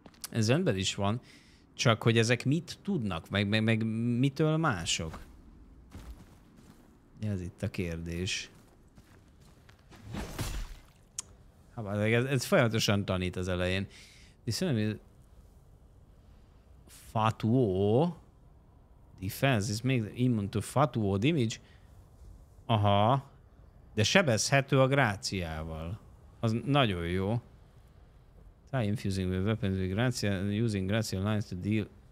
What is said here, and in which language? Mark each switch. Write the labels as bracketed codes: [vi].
[hu] Ez önben is van, csak hogy ezek mit tudnak, meg mitől mások? Ez itt a kérdés. Hát ez folyamatosan tanít az elején. Viszont ami... Fatuo... [en] Defense is made immune to fatuo damage. [hu] Aha. De sebezhető a gráciával. Az nagyon jó. [en] Try infusing with weapons with gracia, using gracia lines to deal